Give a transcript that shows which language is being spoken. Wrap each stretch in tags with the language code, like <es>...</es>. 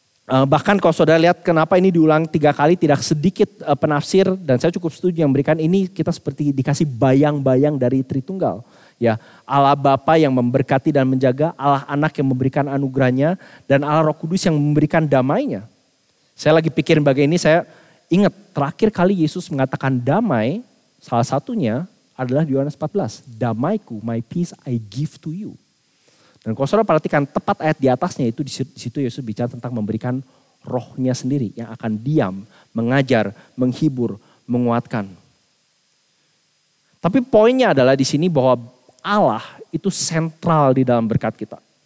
<id>Bahkan kalau saudara lihat kenapa ini diulang 3 kali, tidak sedikit penafsir dan saya cukup setuju yang memberikan ini, kita seperti dikasih bayang-bayang dari Tritunggal. Ya, Allah Bapa yang memberkati dan menjaga, Allah Anak yang memberikan anugerah-Nya, dan Allah Roh Kudus yang memberikan damai-Nya. Saya lagi pikirin bagian ini, saya ingat terakhir kali Yesus mengatakan damai, salah satunya adalah di Yohanes 14. Damai-Ku,</id> <en>my peace I give to you.</en> <id>Dan kalau saudara perhatikan tepat ayat di atasnya itu, di situ Yesus bicara tentang memberikan Roh-Nya sendiri yang akan diam, mengajar, menghibur, menguatkan. Tapi poinnya adalah di sini bahwa Allah itu sentral di dalam berkat kita.</id>